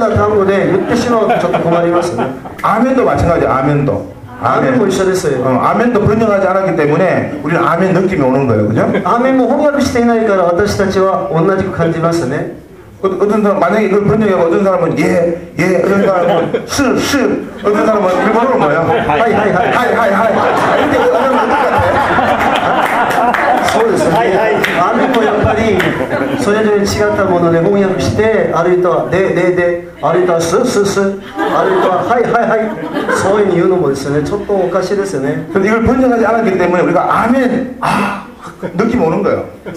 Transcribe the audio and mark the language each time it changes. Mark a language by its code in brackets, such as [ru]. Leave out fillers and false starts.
[ja] そうですね。それを全部翻訳してしまってですね、あるいとハレルヤって言ってあるいとあらららららって言ってですね、全部そういう違うような単語で言ってしまうとちょっと困りますね。 [ko] 아멘도 마찬가지. 아멘도. 아멘. 아멘도 있어요. 아멘도 번역하지 않았기 때문에 우리는 아멘 느낌이 오는 거예요, 그죠? [ja] 아멘도 翻訳していないから私たちは同じく感じますね。 [ko] 어떤 사람 만약에 이걸 번역해서 어떤 사람은 예, 예, 어떤 사람은 스, 스, 어떤 사람은 일본어로 뭐야? [ja] 하이, 하이, 하이, [ko] 하이, 하이, 하이. 이렇게 하면 어떨까요? 하이, 하이. 아멘도 역할이 [ja] それぞれ違ったもので翻訳して、あるいとは、で、で、で、あるいとは、すす、す、あるいとは、はい、はい、はい、そういうのもですね、ちょっとおかしいですよね。 [ko] 근데 이걸 번역하지 않았기 때문에 우리가 아멘, 아, 느낌 오는 거예요.